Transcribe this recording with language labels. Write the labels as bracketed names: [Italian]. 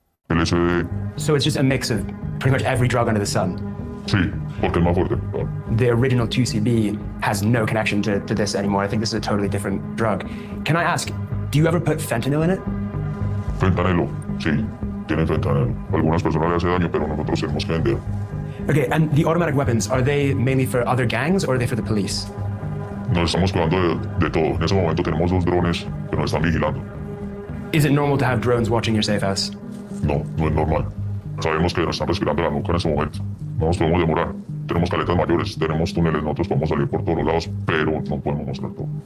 [English] LSD. So it's just a mix of pretty much every drug under the sun? [Spanish] Sí, porque es más fuerte. [English] The original 2CB has no connection to this anymore. I think this is a totally different drug. Can I ask, do you ever put fentanyl in it? [Spanish] Fentanilo, sí, tiene fentanyl. Algunas personas le hace daño, pero nosotros tenemos que vender. [English] Okay, and the automatic weapons, are they mainly for other gangs or are they for the police? [Spanish] Nos estamos cuidando de todo. En ese momento tenemos dos drones que nos están vigilando. [English] Is it normal to have drones watching your safe house? [Spanish] No, no es normal. Sabemos que nos están respirando la nuca en ese momento. No nos podemos demorar. Tenemos caletas mayores, tenemos túneles, nosotros podemos salir por todos los lados, pero no podemos mostrar todo.